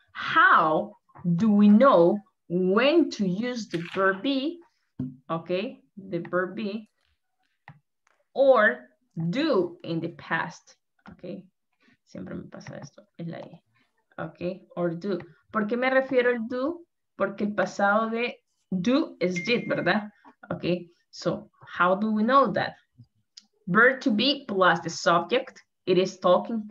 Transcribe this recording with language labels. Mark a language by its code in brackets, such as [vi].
[en] How do we know when to use the verb be? Okay, the verb be or do in the past. [es] Okay, siempre me pasa esto, es la E. Okay, or do. ¿Por qué me refiero al do? Porque el pasado de do [en] is did, [es] ¿verdad? [en] Okay. So, how do we know that? Verb to be plus the subject, it is talking.